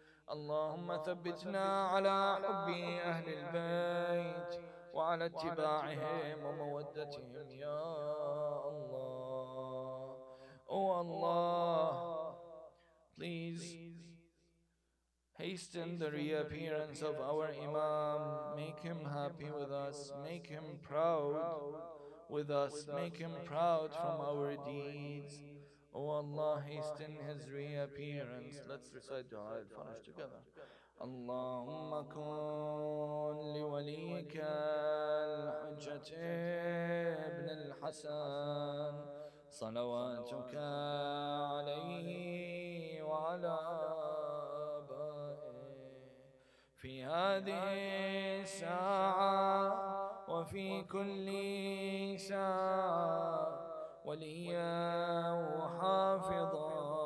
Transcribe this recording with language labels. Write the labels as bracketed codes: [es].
[ar] اللهم ثبتنا على حب أهل البيت وعلى اتباعهم ومودتهم يا الله. [en] Oh Allah, please hasten the reappearance of our Imam. Make him happy with us. Make him proud. With us, make him proud from our deeds. O Allah, hasten his reappearance. Let's recite Dua al-Faraj together. [ar] Allahumma kun li waliyika al-hujjat ibn al-Hasan salawatuka alayhi wa ala abaihi fi hadhihi sa'a وفي كل ساعة وليا وحافظا